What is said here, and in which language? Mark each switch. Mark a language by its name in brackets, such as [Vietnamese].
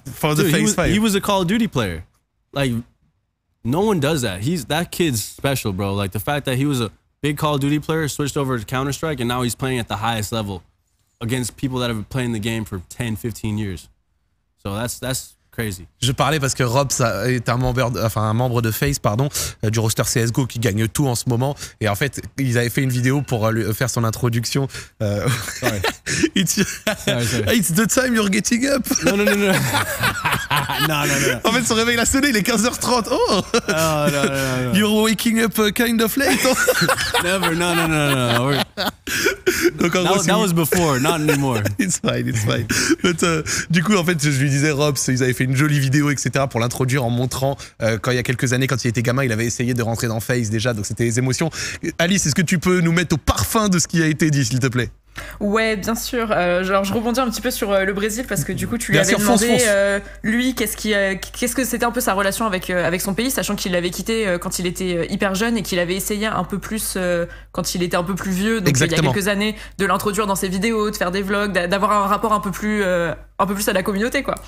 [English] For the FaZe 5. He was a Call of Duty player. Like, no one does that. He's that kid's special, bro. Like, the fact that he was a big Call of Duty player, switched over to Counter-Strike, and now he's playing at the highest level against people that have been playing the game for 10, 15 years. So that's crazy. [French] Je parlais parce que Robs est un membre de FaZe, pardon, du roster CSGO qui gagne tout en ce moment. Et en fait, ils avaient fait une vidéo pour lui faire son introduction. [English] Sorry. It's the time you're getting up. No. No. [French] En fait, son réveil a sonné, il est 15h30. Oh! [English] No. You're waking up kind of late. Never, no. [French] Donc, en gros, [English] that was before, not anymore. It's fine. But, [French] du coup, en fait, je lui disais, Robs, ils avaient fait une jolie vidéo, etc., pour l'introduire en montrant quand il y a quelques années, quand il était gamin, il avait essayé de rentrer dans FaZe déjà, donc c'était les émotions. Alice, est-ce que tu peux nous mettre au parfum de ce qui a été dit, s'il te plaît? Ouais, bien sûr. Genre, je rebondis un petit peu sur le Brésil parce que du coup, tu lui avais demandé lui qu'est-ce que c'était un peu sa relation avec son pays, sachant qu'il l'avait quitté quand il était hyper jeune et qu'il avait essayé un peu plus quand il était un peu plus vieux, donc il y a quelques années, de l'introduire dans ses vidéos, de faire des vlogs, d'avoir un rapport un peu plus à la communauté, quoi.